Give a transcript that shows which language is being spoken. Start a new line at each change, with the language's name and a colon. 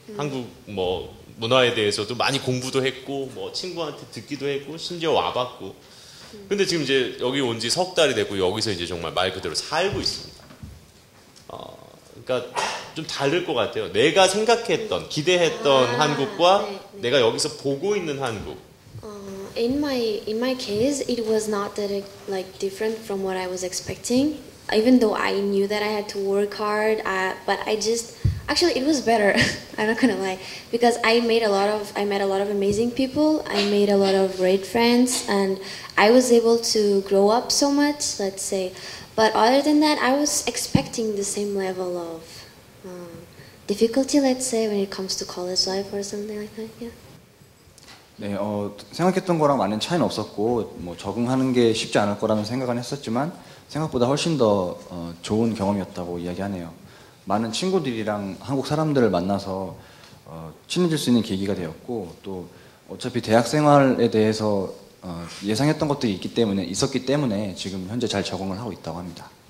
Korean: 한국 뭐 문화에 대해서도 많이 공부도 했고, 뭐 친구한테 듣기도 했고, 심지어 와봤고. 근데 지금 이제 여기 온 지 석 달이 됐고 여기서 이제 정말 말 그대로 살고 있습니다. 그러니까 좀 다를 것 같아요. 내가 생각했던, 기대했던 한국과 내가 여기서 보고 있는 한국.
English: In my case, it was not that like different from what I was expecting. Even though I knew that I had to work hard, but I just actually it was better. I'm not gonna lie, because I met a lot of amazing people. I made a lot of great friends, and I was able to grow up so much. Let's say, but other than that, I was expecting the same level of difficulty. Let's say when it comes to college life or something like that. Yeah.
Korean: 네, 생각했던 거랑 많은 차이는 없었고, 뭐 적응하는 게 쉽지 않을 거라는 생각은 했었지만. 생각보다 훨씬 더 좋은 경험이었다고 이야기하네요. 많은 친구들이랑 한국 사람들을 만나서 친해질 수 있는 계기가 되었고 또 어차피 대학 생활에 대해서 예상했던 것도 있었기 때문에 지금 현재 잘 적응을 하고 있다고 합니다.